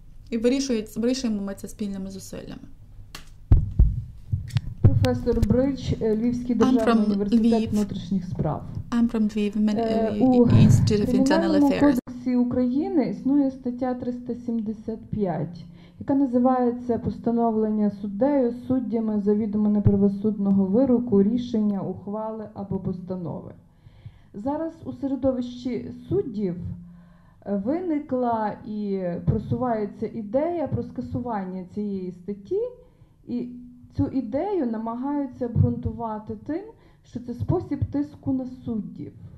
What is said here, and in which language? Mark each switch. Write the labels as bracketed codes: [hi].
[uk] І вирішуємо ми це спільними зусиллями. Професор Брич, Львівський державний університет внутрішніх справ. [en] I'm from Lviv, Institute of Internal Affairs. [uk] У Кримінальному кодексі України існує стаття 375, яка називається «Постановлення суддею, суддями завідомо неправосудного вироку, рішення, ухвали або постанови». Зараз у середовищі суддів виникла і просувається ідея про скасування цієї статті, і цю ідею намагаються обґрунтувати тим, що це спосіб тиску на суддів.